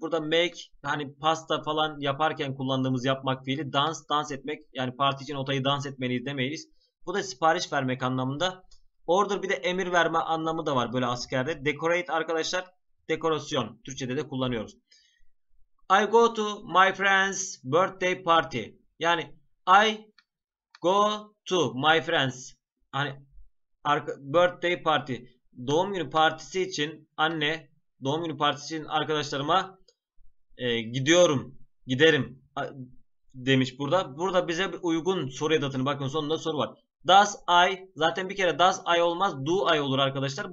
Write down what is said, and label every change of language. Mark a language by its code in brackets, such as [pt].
[tr] Burada make hani pasta falan yaparken kullandığımız yapmak fiili dance dans etmek yani parti için odayı dans etmeliyiz demeyiz. Bu da sipariş vermek anlamında. Order bir de emir verme anlamı da var böyle askerde. Decorate arkadaşlar dekorasyon. Türkçede de kullanıyoruz. [en] I go to my friend's birthday party. Yani I go to my friend's hani birthday party. [tr] Doğum günü partisi için anne doğum günü partisi için arkadaşlarıma gidiyorum, giderim demiş burada. Burada bize uygun soru edatını bakın sonunda soru var. Does I zaten bir kere does I olmaz do I olur arkadaşlar.